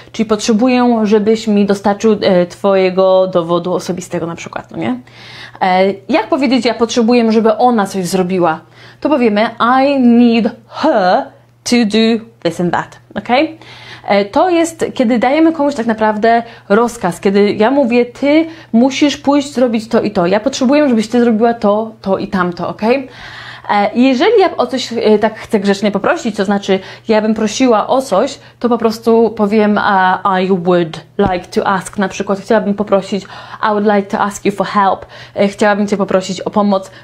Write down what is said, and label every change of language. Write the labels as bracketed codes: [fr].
[pl] Czyli potrzebuję, żebyś mi dostarczył twojego dowodu osobistego na przykład, no nie? Jak powiedzieć, ja potrzebuję, żeby ona coś zrobiła? To powiemy [en] I need her to do this and that, ok? [pl] To jest, kiedy dajemy komuś tak naprawdę rozkaz, kiedy ja mówię, ty musisz pójść zrobić to i to. Ja potrzebuję, żebyś ty zrobiła to, to i tamto, ok? Jeżeli ja o coś tak chcę grzecznie poprosić, to znaczy ja bym prosiła o coś, to po prostu powiem [en] I would like to ask, [pl] na przykład chciałabym poprosić [en] I would like to ask you for help, [pl] chciałabym Cię poprosić o pomoc.